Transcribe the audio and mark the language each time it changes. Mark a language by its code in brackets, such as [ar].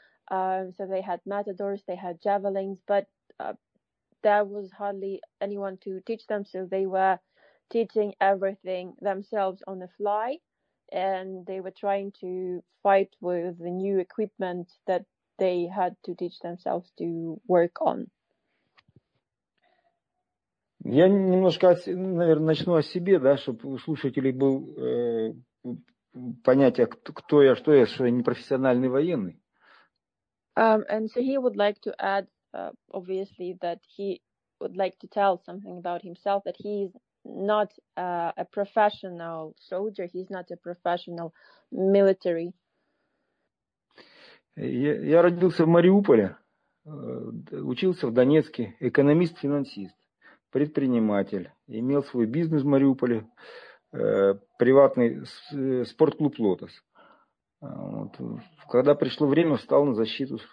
[en] So they had matadors, they had javelins, but there was hardly anyone to teach them, so they were teaching everything themselves on the fly, and they were trying to fight with the new equipment that they had to teach themselves to work on. [ru] Я немножко, наверное, начну о себе, да, чтобы у слушателей был понятие, кто я, что я, что я не профессиональный военный. [en] And so he would like to add, obviously, that he would like to tell something about himself, that he's not a professional soldier, he's not a professional military. [ru] Я родился в Мариуполе, учился в Донецке, экономист-финансист, предприниматель, имел свой бизнес в Мариуполе, приватный спортклуб «Лотос». Вот. Когда пришло время, встал на защиту.